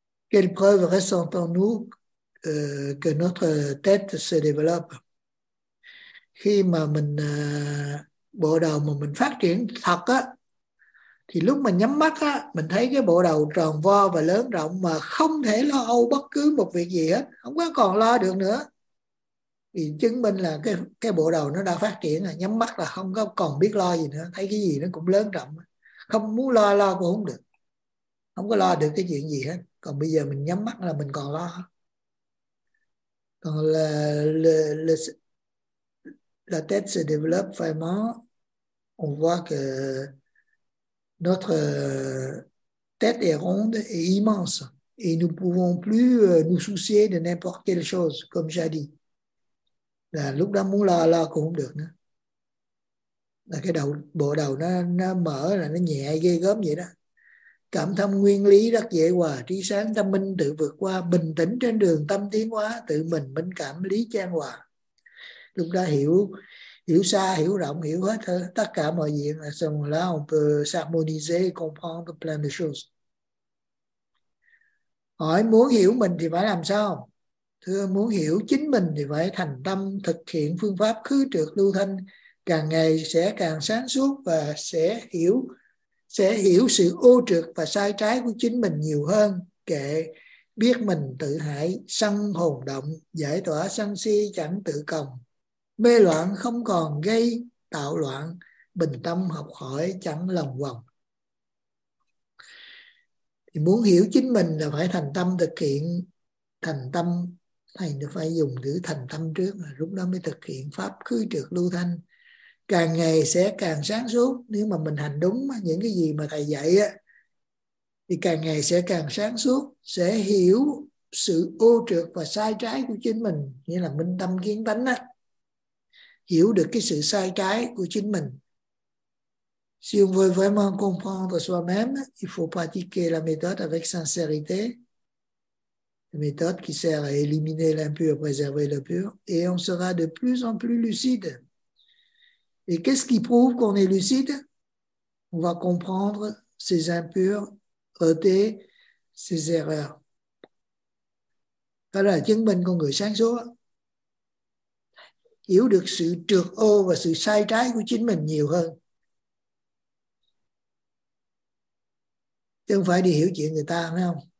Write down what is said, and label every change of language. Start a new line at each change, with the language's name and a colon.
French: Quelle preuve ressentons-nous que notre tête se développe?
Vietnamese: Khi mà mình bộ đầu mà mình phát triển thật á, thì lúc mình nhắm mắt á, mình thấy cái bộ đầu tròn vo và lớn rộng mà không thể lo âu bất cứ một việc gì hết, không có còn lo được nữa, thì chứng minh là cái bộ đầu nó đã phát triển rồi. Nhắm mắt là không có còn biết lo gì nữa, thấy cái gì nó cũng lớn rộng, không muốn lo, lo cũng không được, không có lo được cái chuyện gì hết. Còn bây giờ mình nhắm mắt là mình còn lo.
French: Quand la tête se développe vraiment, on voit que notre tête est ronde et immense et nous ne pouvons plus nous soucier de n'importe quelle chose, comme j'ai dit.
Vietnamese: Là lúc đó muốn lo cũng không được nữa. Là cái đầu, bộ đầu nó mở, là nó nhẹ ghê gớm vậy đó. Cảm thông nguyên lý rất dễ hòa, trí sáng tâm minh tự vượt qua. Bình tĩnh trên đường tâm tiến hóa, tự mình minh cảm lý chan hòa. Lúc đó hiểu xa, hiểu rộng, hiểu hết tất cả mọi việc. Xong là
French: on peut s'harmoniser, comprendre plein de choses.
Vietnamese: Hỏi muốn hiểu mình thì phải làm sao? Thưa, muốn hiểu chính mình thì phải thành tâm, thực hiện phương pháp khứ trược lưu thanh. Càng ngày sẽ càng sáng suốt và sẽ hiểu sự ô trược và sai trái của chính mình nhiều hơn. Kệ biết mình tự hại, sân hồn động, giải tỏa sân si chẳng tự còng. Mê loạn không còn gây tạo loạn, bình tâm học hỏi chẳng lòng vòng. Thì muốn hiểu chính mình là phải thành tâm thực hiện. Thành tâm, thầy phải dùng chữ thành tâm trước, lúc đó mới thực hiện pháp khứ trược lưu thanh. Càng ngày sẽ càng sáng suốt. Nếu mà mình hành đúng những cái gì mà thầy dạy á, thì càng ngày sẽ càng sáng suốt, sẽ hiểu sự ô trược và sai trái của chính mình, nghĩa là minh tâm kiến tánh á, hiểu được cái sự sai trái của chính mình.
French: Si on veut vraiment comprendre soi-même, il faut pratiquer la méthode avec sincérité, la méthode qui sert à éliminer l'impur, préserver le pur, et on sera de plus en plus lucide. Et qu'est-ce qui prouve qu'on est lucide? On va comprendre ses impuretés, ses erreurs.
Vietnamese: Đó là chứng minh con người sáng suốt. Hiểu được sự trược ô và sự sai trái của chính mình nhiều hơn. Chứ không phải đi hiểu chuyện người ta, phải không?